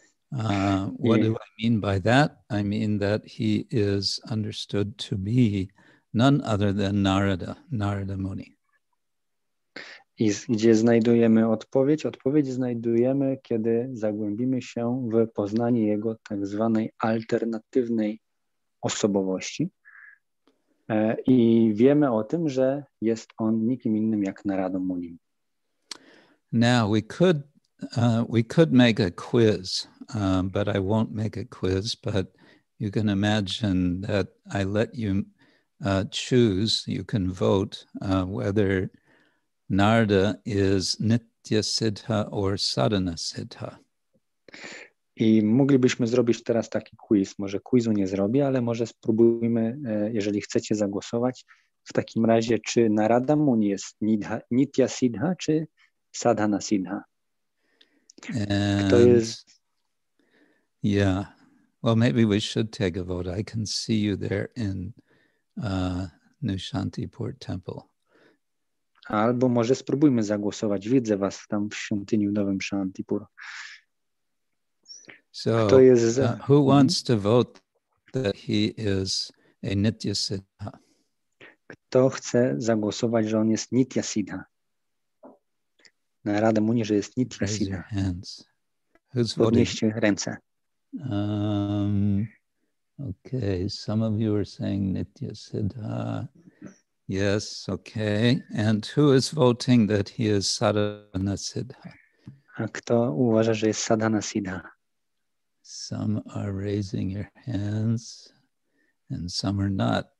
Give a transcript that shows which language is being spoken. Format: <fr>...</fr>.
<en>What do I mean by that? I mean that he is understood to be none other than Narada, Narada Muni.</en> <pl>I gdzie znajdujemy odpowiedź? Odpowiedź znajdujemy, kiedy zagłębimy się w poznanie jego tak zwanej alternatywnej osobowości. I wiemy o tym, że jest on nikim innym jak Narada Muni.</pl> <en>Now we could make a quiz, but I won't make a quiz, but you can imagine that I let you choose, you can vote whether Narada is Nitya Siddha or Sadhana Siddha.</en> <pl>I moglibyśmy zrobić teraz taki quiz. Może quizu nie zrobię, ale może spróbujmy, jeżeli chcecie zagłosować, w takim razie, czy Narada Muni jest nidha, Nitya Siddha, czy Sadhana Siddha? Kto jest...</pl> <en>Yeah, well, maybe we should take a vote. I can see you there in Nushantipur Temple.</en> <pl>Albo może spróbujmy zagłosować. Widzę was tam w świątyni Nowym Shantipur. So, kto jest...</pl> <en>who wants to vote that he is a Nitya Siddha?</en> <pl>Kto chce zagłosować, że on jest Nitya Siddha? Narada Muni, że jest Nitya Siddha. Podnieście ręce.</pl> <en>Okay, some of you are saying Nitya Siddha. Yes, okay. And who is voting that he is Sadhana Siddha?</en> <pl>A kto uważa, że jest Sadhana Siddha?</pl> <en>Some are raising your hands and some are not.</en>